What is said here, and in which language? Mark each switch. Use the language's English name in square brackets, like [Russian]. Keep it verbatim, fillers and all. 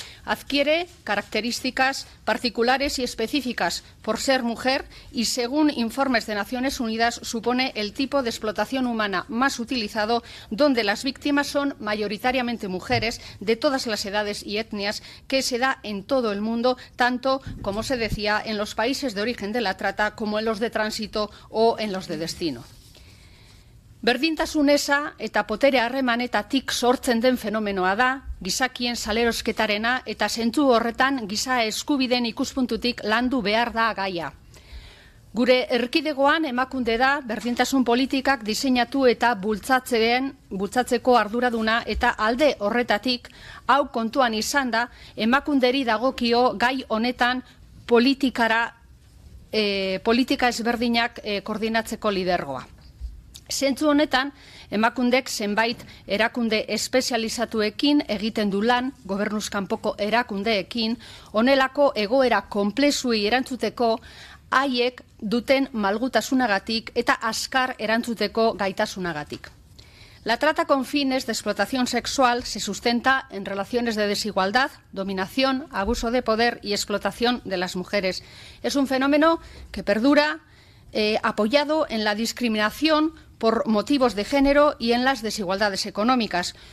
[Spanish] Adquiere características particulares y específicas por ser mujer y, según informes de Naciones Unidas, supone el tipo de explotación humana más utilizado, donde las víctimas son mayoritariamente mujeres de todas las edades y etnias, que se da en todo el mundo, tanto, como se decía, en los países de origen de la trata como en los de tránsito o en los de destino. [Basque] Berdintasun eza eta potere harremanetatik sortzen den fenomenoa da, gizakien salerosketarena, eta zentzu horretan giza eskubideen ikuspuntutik landu behar da gaia. Gure erkidegoan Emakunde da berdintasun politikak diseinatu eta bultzatzeen bultzatzeko arduraduna, eta alde horretatik hau kontuan izan da Emakunderi dagokio gai honetan politikara E, politika ezberdinak e, koordinatzeko lidergoa. Zentzu honetan, Emakundek zenbait erakunde espezializatuekin egiten du lan, gobernuzkanpoko erakundeekin, honelako egoera konplexuei erantzuteko, haiek duten malgutasunagatik eta azkar erantzuteko gaitasunagatik. [Spanish] La trata con fines de explotación sexual se sustenta en relaciones de desigualdad, dominación, abuso de poder y explotación de las mujeres. Es un fenómeno que perdura eh, apoyado en la discriminación por motivos de género y en las desigualdades económicas.